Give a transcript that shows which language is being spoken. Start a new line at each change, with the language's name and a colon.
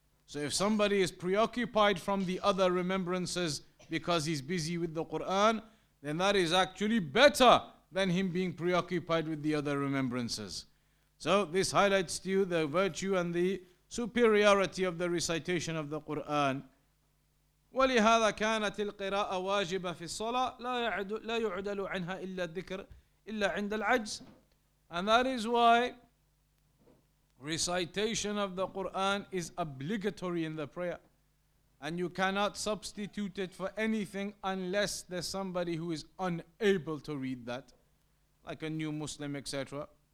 English: So if somebody is preoccupied from the other remembrances because he's busy with the Quran, then that is actually better than him being preoccupied with the other remembrances. So this highlights to you the virtue and the superiority of the recitation of the Quran.
Arabic: ولهذا كانت القراءة واجبة في الصلاة لا يعدل عنها إلا الذكر إلا عند العجز.
English: And that is why recitation of the Quran is obligatory in the prayer. And you cannot substitute it for anything unless there's somebody who is unable to read that, like a new Muslim, etc.